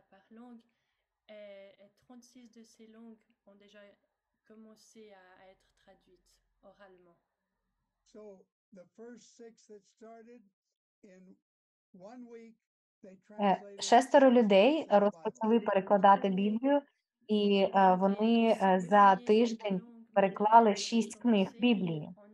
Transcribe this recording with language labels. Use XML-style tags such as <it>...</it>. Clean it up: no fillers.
<fr>langues, et 36 de ces langues ont déjà commencé à être traduites oralement.</fr> <en>So the first six that started in 1 week.</en> <uk>Шестеро людей розпочали перекладати Біблію, і вони за тиждень переклали 6 книг Біблії.</uk>